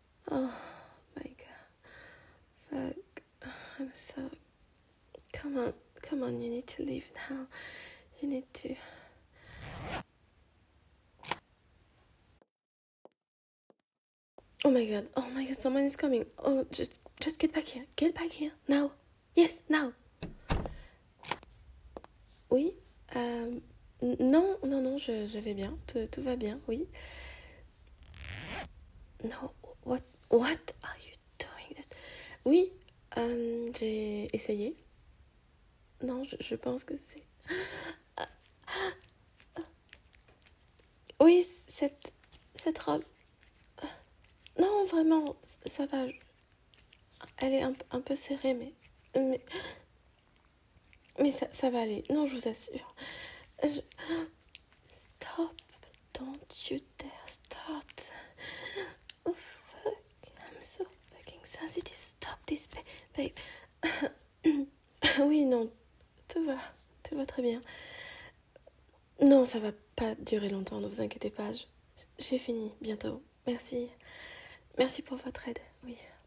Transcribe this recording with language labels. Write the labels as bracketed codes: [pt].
[en] Oh my God, fuck, I'm so, come on, you need to leave now, you need to. Oh my God, someone is coming. Oh, just get back here, now, yes, now. [fr] Oui, non, je vais bien, tout va bien, oui. [en] No, what are you doing? [fr] Oui, j'ai essayé. Non, je pense que c'est... Oui, cette robe. Non, vraiment, ça va. Elle est un peu serrée, mais... Mais ça va aller, non, je vous assure. [en] Stop, don't you dare start. Oh fuck, I'm so fucking sensitive. Stop this, babe. [fr] Oui, non, tout va très bien. Non, ça va pas durer longtemps, ne vous inquiétez pas. J'ai fini, bientôt. Merci. Merci pour votre aide, oui.